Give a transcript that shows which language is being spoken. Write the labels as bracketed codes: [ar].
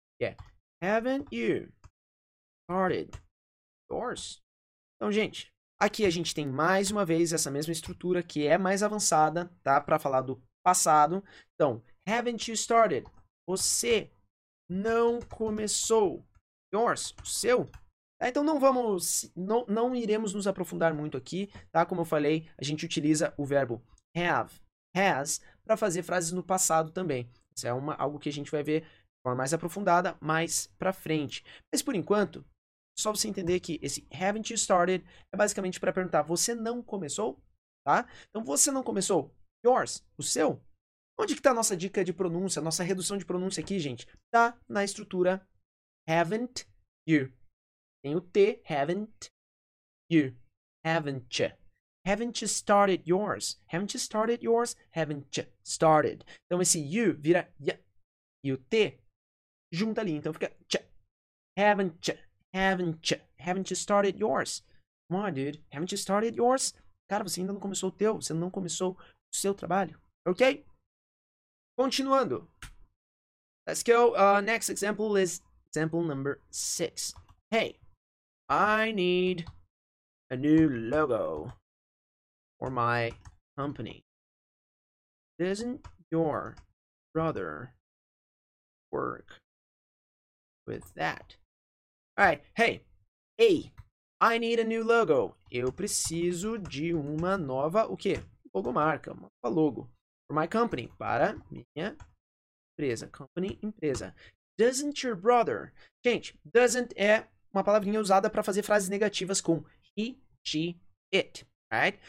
[pt] Que é, [en] haven't you started yours? [pt] Então, gente, aqui a gente tem mais uma vez essa mesma estrutura que é mais avançada, tá? Para falar do passado. [en] Então, haven't you started? [pt] Você não começou yours, o seu? Então, não iremos nos aprofundar muito aqui, tá? Como eu falei, a gente utiliza o verbo have, has, para fazer frases no passado também. Isso é algo que a gente vai ver de forma mais aprofundada mais para frente. Mas, por enquanto, só você entender que esse [en] haven't you started [pt] é basicamente para perguntar, você não começou? Tá? Então, você não começou? Yours, o seu? Onde que está a nossa dica de pronúncia, nossa redução de pronúncia aqui, gente? Está na estrutura haven't you. [en] Tem o T, haven't you, haven't you, haven't you started yours, haven't you started yours, haven't you started. [pt] Então, esse you vira ya, e o T junta ali, então fica ch, [en] haven't you, haven't you, haven't you started yours. Come on, dude, haven't you started yours? [pt] Cara, você ainda não começou o teu, você não começou o seu trabalho, ok? Continuando. [en] Let's go, next example is example number 6. Hey. I need a new logo for my company. Doesn't your brother work with that? Alright, hey, hey, I need a new logo. [pt] Eu preciso de uma nova, o quê? Logomarca, uma nova logo. [en] For my company, [pt] para minha empresa. Company, empresa. [en] Doesn't your brother, [pt] gente, doesn't é uma palavrinha usada para fazer frases negativas com [en] he, she, it, right?